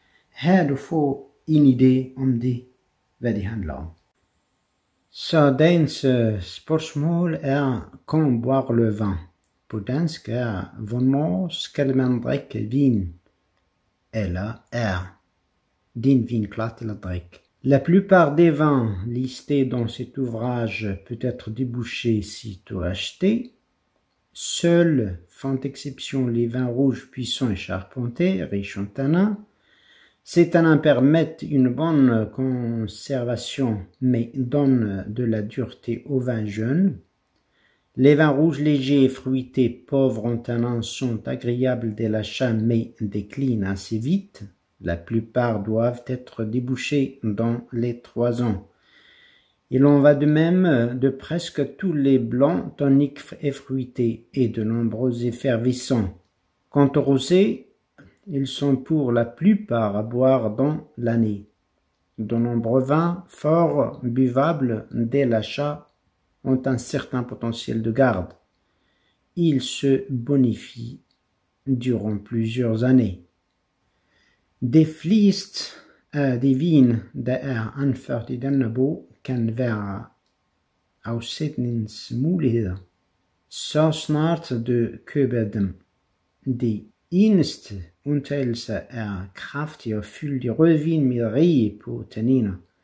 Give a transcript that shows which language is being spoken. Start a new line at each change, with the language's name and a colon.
Danish: Her du får en idé om det, hvad det handler om. Så dagens spørgsmål er:
French: Quand boire le vin?
Danish: På dansk er: hvornår skal man drikke vin? Eller er din vin klar til at drikke?
French: La plupart des vins listés dans cet ouvrage peut être débouché si tôt acheté. Seuls font exception les vins rouges puissants et charpentés, riches en tanins. Ces tanins permettent une bonne conservation mais donnent de la dureté aux vins jeunes. Les vins rouges légers et fruités, pauvres en tanins, sont agréables dès l'achat mais déclinent assez vite. La plupart doivent être débouchés dans les 3 ans. Il en va de même de presque tous les blancs toniques et fruités et de nombreux effervescents. Quant aux rosés, ils sont pour la plupart à boire dans l'année. De nombreux vins forts buvables dès l'achat ont un certain potentiel de garde. Ils se bonifient durant plusieurs années.
Danish: Det fleste af de vin, der er anført i denne bog, kan være afsætningsmuligheder, så snart du køber dem. Det eneste undtagelse er kraftig og fyldt rødvin med rige på tanniner.